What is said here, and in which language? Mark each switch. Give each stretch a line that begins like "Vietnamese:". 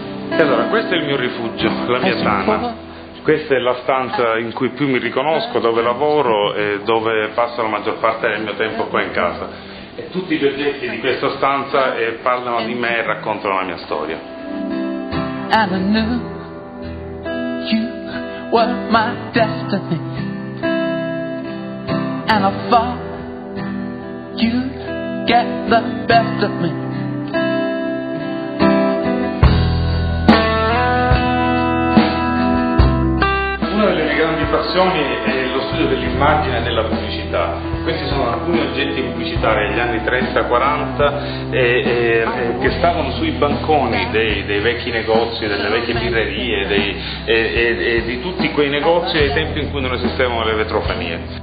Italian: E allora, questo è il mio rifugio, la mia tana. Questa è la stanza in cui più mi riconosco, dove lavoro e dove passo la maggior parte del mio tempo qua in casa. E tutti gli oggetti di questa stanza parlano di me e raccontano la mia storia.
English: I knew you were my destiny, and I thought you'd get the best of me.
Italian: Una delle mie grandi passioni è lo studio dell'immagine e della pubblicità. Questi sono alcuni oggetti pubblicitari degli anni 30-40 che stavano sui banconi dei vecchi negozi, delle vecchie birrerie, di tutti quei negozi ai tempi in cui non esistevano le vetrofanie.